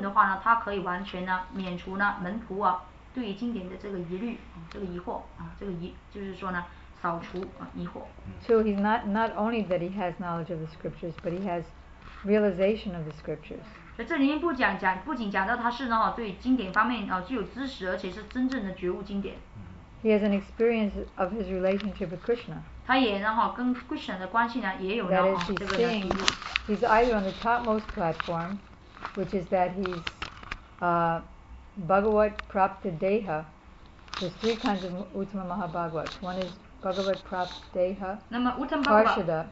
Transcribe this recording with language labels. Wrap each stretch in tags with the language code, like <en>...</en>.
<zh>所以的话呢，第一个征兆呢，就是呢，他通晓经典，并且呢，就是说呢，通过经典的这个经论的话呢，他可以完全呢，免除呢门徒啊。对于经典的这个疑虑，这个疑惑，就是说呢，扫除疑惑。So</zh> <en>he's not only that he has knowledge of the scriptures, but he has realization of the scriptures.</en> <zh>所以这里面不仅讲到他是呢哈对经典方面具有知识，而且是真正的觉悟经典。He</zh> <en>has an experience of his relationship with Krishna.</en> <zh>他也呢哈跟 Krishna 的关系呢也有呢哈这个呢。He's</zh> <en>either on the topmost platform, which is that he's Bhagavat Prapta Deha. There's three kinds of Uttama Mahabhagavat. One is Bhagavat Prapta Deha, Parshada.</en>